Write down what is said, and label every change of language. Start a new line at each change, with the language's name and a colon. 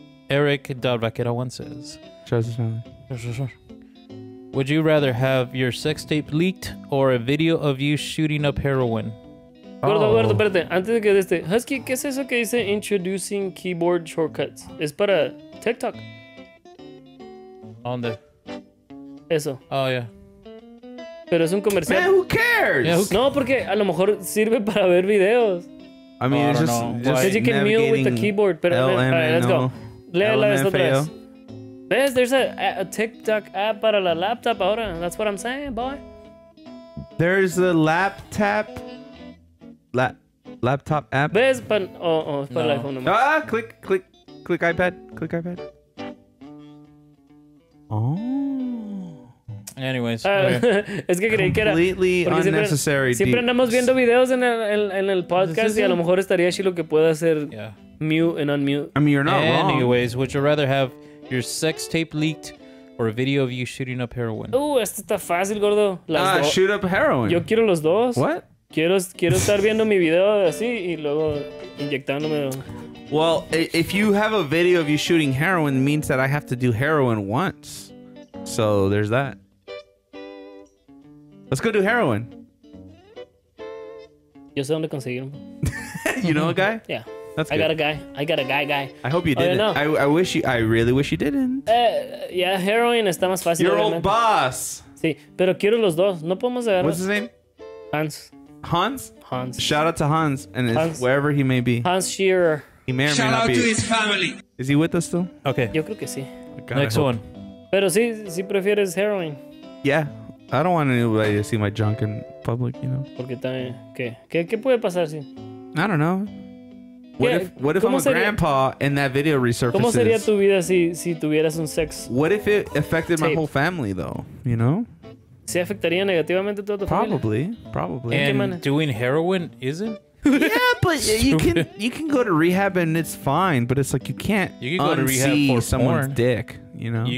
English: Eric Dal Vaquero 1 says, would you rather have your sex tape leaked or a video of you shooting up heroin?
Spanish: Gordo, oh. Gordo, espérate. Antes de que deste, Husky, ¿qué es eso que dice introducing keyboard shortcuts? Es para TikTok. ¿Dónde? Eso.
English: Oh, yeah.
Spanish: Pero es un comercial.
English: Man, who cares? Yeah, who
Spanish: no, porque a lo mejor sirve para ver videos.
English: I mean, it's just you can mute with the keyboard.
Spanish: Pero,
English: L-M-A-O. All right, let's go.
Spanish: Léela esta otra vez. Ves,
English: there's a TikTok app
Spanish: para la laptop ahora.
English: That's what I'm saying, boy. There's a laptop. Laptop app.
Spanish: Ves, pan. Oh, es para el iPhone.
English: No. Ah, click iPad. Click iPad. Oh. Anyways,
Spanish: es que creí que era
English: completely unnecessary.
Spanish: Siempre andamos viendo videos en el podcast y a lo mejor estaría chido que pueda hacer
English: mute and unmute. I mean, you're not Anyways, wrong. Anyways, would you rather have your sex tape leaked or a video of you shooting up heroin?
Spanish: Oh, esto está fácil, gordo.
English: Shoot up heroin.
Spanish: Yo quiero los dos.
English: What?
Spanish: Quiero estar viendo mi video así y luego inyectándome.
English: Well, if you have a video of you shooting heroin, it means that I have to do heroin once. So there's that. Let's go do heroin.
Spanish: Yo sé dónde conseguirlo.
English: You know a guy? Yeah. That's good. I got a guy. I hope you didn't. I really wish you didn't.
Spanish: Heroin está más fácil.
English: Your old boss.
Spanish: Sí, pero quiero los dos. No podemos agarrar.
English: What's his name? Hans. Shout out to Hans and Hans. Wherever he may be. Hans Shearer. He may or Shout may not out be. To his family. Is he with us still? Okay.
Spanish: Yo creo que sí.
English: Next one.
Spanish: Pero sí prefieres heroin.
English: Yeah. I don't want anybody to see my junk in public, you know.
Spanish: Porque también, ¿qué puede pasar si?
English: I don't know. What if I'm a grandpa and that video resurfaces?
Spanish: ¿Cómo sería tu vida si tuvieras un sex?
English: What if it affected my whole family though, you know?
Spanish: ¿Se afectaría negativamente toda tu familia?
English: Probably. And doing heroin isn't? Yeah, but you can go to rehab and it's fine, but it's like you can't go to rehab for someone's porn. Dick, you know.